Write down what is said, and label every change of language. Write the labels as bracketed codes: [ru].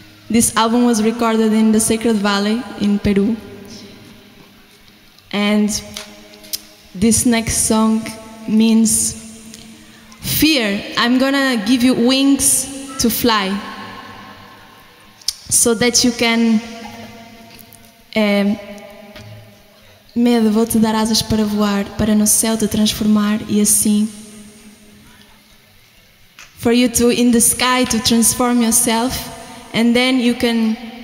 [en] This album was recorded in the Sacred Valley in Peru. And this next song means fear. I'm gonna give you wings to fly so that you can... [pt] Medo, vou-te dar asas para voar, para no céu te transformar e assim... [en] For you to, in the sky, to transform yourself and then you can...